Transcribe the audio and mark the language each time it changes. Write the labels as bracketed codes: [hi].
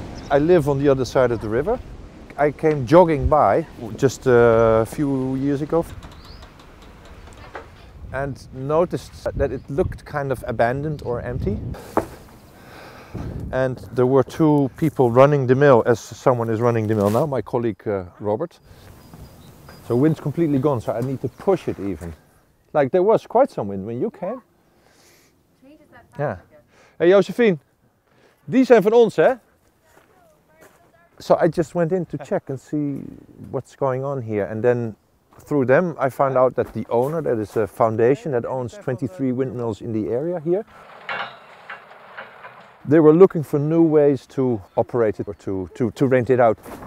[en] I live on the other side of the river. I came jogging by just a few years ago and noticed that it looked kind of abandoned or empty. And there were two people running the mill, as someone is running the mill now, my colleague Robert. So wind's completely gone, so I need to push it even. Like, there was quite some wind when you came. Yeah. [nl] Hey, Josephine, die zijn van ons, hè? [en] So I just went in to check and see what's going on here. And then through them, I found out that the owner, that is a foundation that owns 23 windmills in the area here, they were looking for new ways to operate it or to rent it out.